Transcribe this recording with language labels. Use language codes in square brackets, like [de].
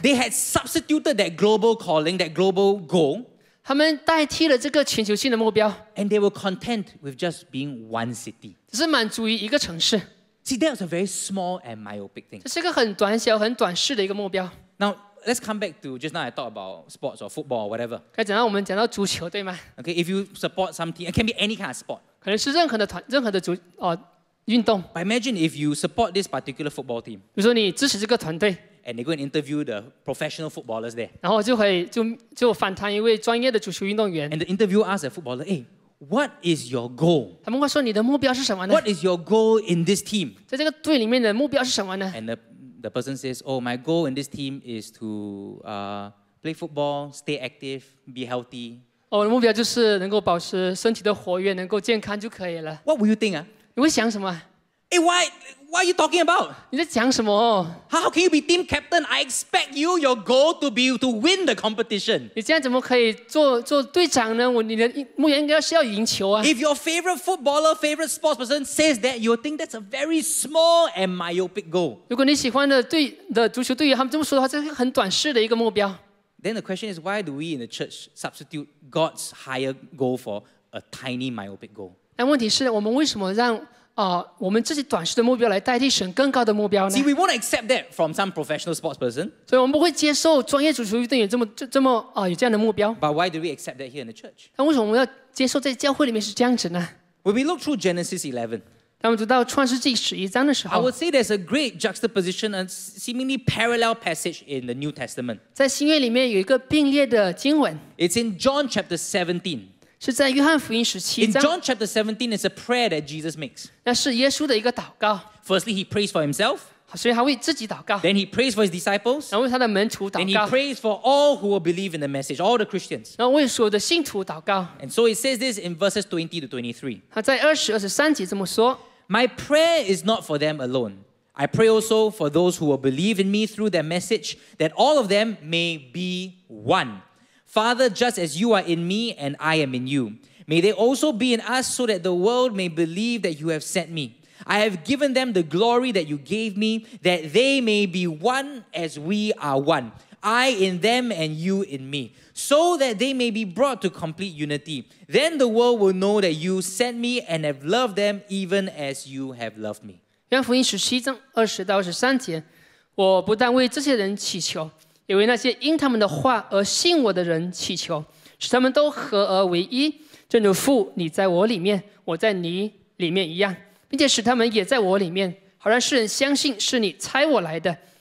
[en] They had substituted that global calling, that global goal. [zh] 他们代替了这个全球性的目标。 [en] And they were content with just being one city. [zh] 只是满足于一个城市。 [en] See, that was a very small and myopic thing. [zh] 这是一个很短小、很短视的一个目标。 [en] Now,Let's come back to just now I talked about sports or football or whatever. [zh] 可以讲到我们讲到足球对吗？ [en] Okay, if you support something, it can be any kind of sport. [zh] 可能是任何的足运动。 [en] But imagine if you support this particular football team. [zh] 比如说你支持这个团队。 [en] And they go and interview the professional footballers there. [zh] 然后就访谈一位专业的足球运动员。 [en] And the interviewer asks the footballer, hey, what is your goal? [zh] 他们会说你的目标是什么呢？ [en] What is your goal in this team? [zh] 在这个队里面的目标是什么呢？ [en] And the person says, oh, my goal in this team is to play football, stay active, be healthy. [zh] 我的目标就是能够保持身体的活跃，能够健康就可以了。 [en] What will you think? [zh] 你会想什么？ [en] Hey, what are you talking about? [zh] 你在讲什么？ [en] How can you be team captain? I expect you, your goal to be to win the competition. [zh] 你这样怎么可以做队长呢？你的目标应该是要赢球啊。 [en] If your favorite footballer, favorite sports person says that, you'll think that's a very small and myopic goal. [zh] 如果你喜欢的足球队员他们这么说的话，这是很短视的一个目标。 [en] Then the question is, why do we in the church substitute God's higher goal for a tiny myopic goal? [zh] 但问题是，我们为什么让我们自己短视的目标来代替神更高的目标呢？ [en] See, we won't accept that from some professional sports person. [zh] 所以我们不会接受专业足球运动员这么有这样的目标。 [en] But why do we accept that here in the church? [zh] 那为什么我们要接受在教会里面是这样子呢？ [en] When we look through Genesis 11, [zh] 当我们读到创世纪十一章的时候， [en] I would say there's a great juxtaposition, a seemingly parallel passage in the New Testament. [zh] 在新约里面有一个并列的经文。 [en] It's in John chapter 17. [zh] 是在约翰福音十七章。 [en] In John chapter 17, it's a prayer that Jesus makes. [zh] 那是耶稣的一个祷告。 [en] Firstly, he prays for himself. [zh] 所以他为自己祷告。 [en] Then he prays for his disciples. [zh] 然后为他的门徒祷告。 [en] Then he prays for all who will believe in the message, all the Christians. [zh] 然后为所有的信徒祷告。 [en] And so it says this in verses 20 to 23. [zh] 他在二十、二十三节这么说。 [en] My prayer is not for them alone. I pray also for those who will believe in me through their message, that all of them may be one. Father, just as you are in me and I am in you, may they also be in us so that the world may believe that you have sent me. I have given them the glory that you gave me, that they may be one as we are one, I in them and you in me, so that they may be brought to complete unity. Then the world will know that you sent me and have loved them even as you have loved me. [zh] 约翰福音十七章二十到二十三节，我不但为这些人祈求，也为那些因他们的话而信我的人祈求，使他们都合而为一，正如父你在我里面，我在你里面一样，并且使他们也在我里面，好让世人相信是你差我来的。